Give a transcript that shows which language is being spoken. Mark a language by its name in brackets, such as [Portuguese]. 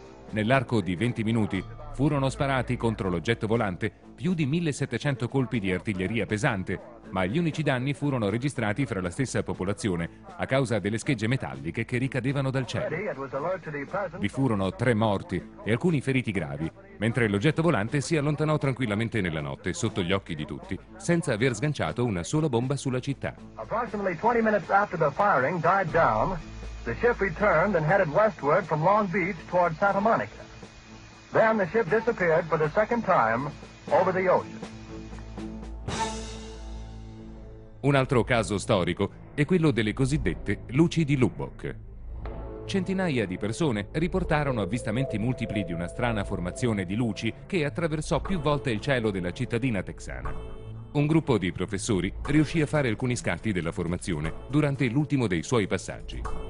[Italian] Nell'arco di 20 minuti furono sparati contro l'oggetto volante più di 1700 colpi di artiglieria pesante, ma gli unici danni furono registrati fra la stessa popolazione a causa delle schegge metalliche che ricadevano dal cielo. Vi furono 3 morti e alcuni feriti gravi, mentre l'oggetto volante si allontanò tranquillamente nella notte sotto gli occhi di tutti, senza aver sganciato una sola bomba sulla città. [English] Approximately 20 minutes after the firing died down, the ship returned and headed westward from Long Beach toward Santa Monica. Then the ship disappeared for the second time over the ocean. [Italian] Un altro caso storico è quello delle cosiddette luci di Lubbock. Centinaia di persone riportarono avvistamenti multipli di una strana formazione di luci che attraversò più volte il cielo della cittadina texana. Un gruppo di professori riuscì a fare alcuni scatti della formazione durante l'ultimo dei suoi passaggi.